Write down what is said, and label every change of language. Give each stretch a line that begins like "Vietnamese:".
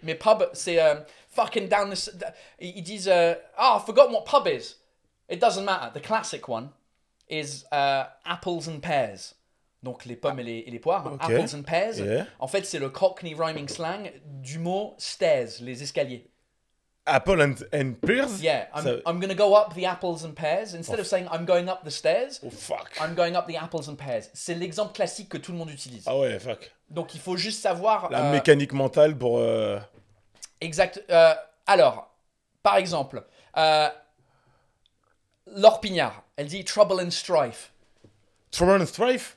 French: Mais pub, c'est
English: fucking down this.
French: Ils disent.
English: Oh, I forgot what pub is. It doesn't matter. The classic one is apples and pears.
French: Donc, les pommes et les poires,
English: okay. Apples and pears. Yeah.
French: En fait, c'est le Cockney rhyming slang du mot stairs, les escaliers.
English: Apple and pears? Yeah, I'm going to go up the apples and pears. Instead of saying I'm going up the stairs, I'm going up the apples and pears.
French: C'est l'exemple classique que tout le monde utilise. Ah ouais, fuck. Donc, il faut juste savoir... La mécanique mentale pour... Exact. Alors, par exemple, Laure Pignard, elle dit «
English: trouble and strife ». Trouble and strife?